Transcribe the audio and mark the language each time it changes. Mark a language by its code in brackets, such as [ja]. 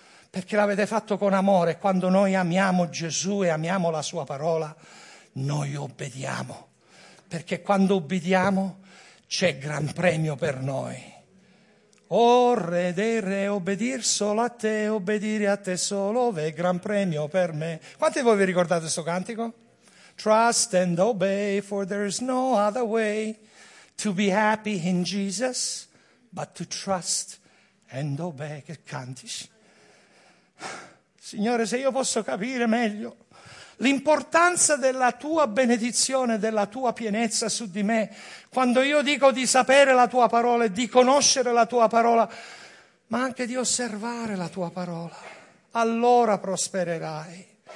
[it] Perché l'avete fatto con amore. Quando noi amiamo Gesù e amiamo la sua parola, noi obbediamo. perché quando ubbidiamo c'è gran premio per noi. O re dei re, obbedir solo a te, obbedire a te solo, ve gran premio per me. Quanti di voi vi ricordate questo cantico? [en] Trust and obey, for there is no other way to be happy in Jesus, but to trust and obey. [it] Che cantici? Signore, se io posso capire meglio l'importanza della tua benedizione, della tua pienezza su di me, quando io dico di sapere la tua parola e di conoscere la tua parola, ma anche di osservare la tua parola, allora prospererai.